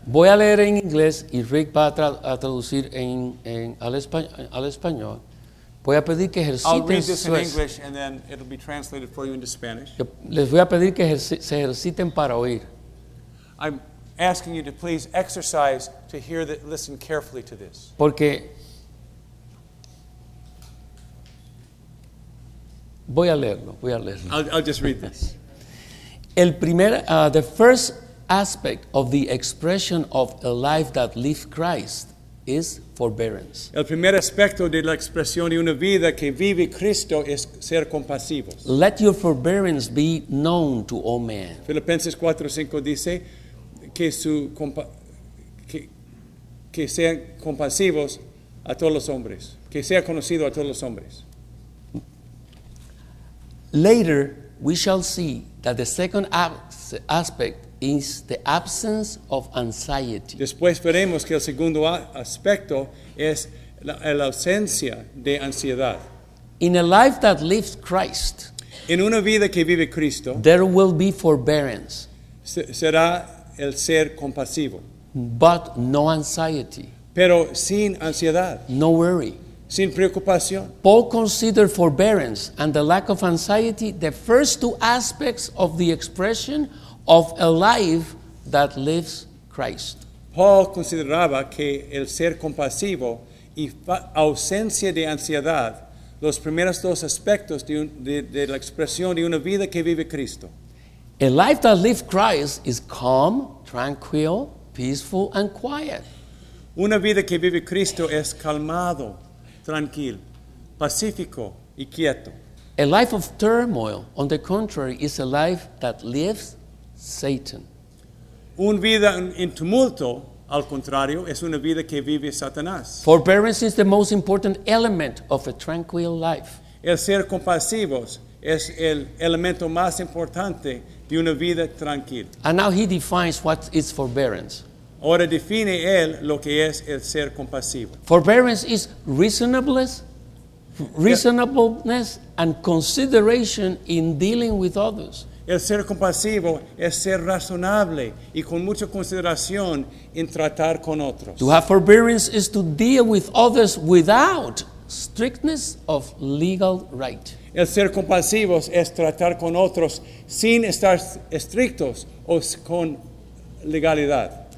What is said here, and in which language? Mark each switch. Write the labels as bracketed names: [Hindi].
[Spanish] Voy a leer en inglés y Rick va a traducir al español. Voy a pedir que ejerciten [English] I'll read this in English and then it'll be translated for you into Spanish. [Spanish] Les voy a pedir que se ejerciten para oír. [English] I'm asking you to please exercise to hear that, listen carefully to this. [Spanish] Porque voy a leerlo. [English] I'll just read this. [Spanish] El primer, [English] the first aspect of the expression of a life that lives Christ is forbearance. [Spanish] El primer aspecto de la expresión de una vida que vive Cristo es ser compasivos. [English] Let your forbearance be known to all men. [Spanish] Filipenses 4:5 dice que sean compasivos a todos los hombres, que sea conocido a todos los hombres. [English] Later, we shall see that the second aspect is the absence of anxiety. [Spanish] Después veremos que el segundo aspecto es la ausencia de ansiedad. [English] In a life that lives Christ, [Spanish] en una vida que vive Cristo, [English] there will be forbearance. [Spanish] Será el ser compasivo. [English] But no anxiety. [Spanish] Pero sin ansiedad. [English] No worry. [Spanish] Sin preocupación. [English] Paul considered forbearance and the lack of anxiety the first two aspects of the expression of a life that lives Christ. [Spanish] Paul consideraba que el ser compasivo y ausencia de ansiedad, los primeros dos aspectos de la expresión de una vida que vive Cristo. [English] A life that lives Christ is calm, tranquil, peaceful, and quiet. [Spanish] Una vida que vive Cristo es calmado, tranquil, pacífico y quieto. [English] A life of turmoil, on the contrary, is a life that lives Satan. [Spanish] Una vida en tumulto, al contrario, es una vida que vive Satanás. [English] Forbearance is the most important element of a tranquil life. [Spanish] El ser compasivos es el elemento más importante de una vida tranquila. [English] And now he defines what is forbearance. [Spanish] Ahora define él lo que es el ser compasivo. [English] Forbearance is reasonableness and consideration in dealing with others. [Spanish] El ser compasivo es ser razonable y con mucha consideración en tratar con otros. [English] To have forbearance is to deal with others without strictness of legal right. [Spanish] El ser compasivos es tratar con otros sin estar estrictos o con legalidad.